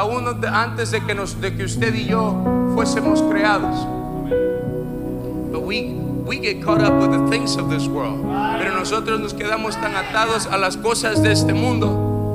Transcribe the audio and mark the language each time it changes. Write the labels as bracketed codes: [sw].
[es] Aún antes de que usted y yo fuésemos creados. Amen. [en] But we get caught up with the things of this world. Right. [es] Pero nosotros nos quedamos tan atados a las cosas de este mundo.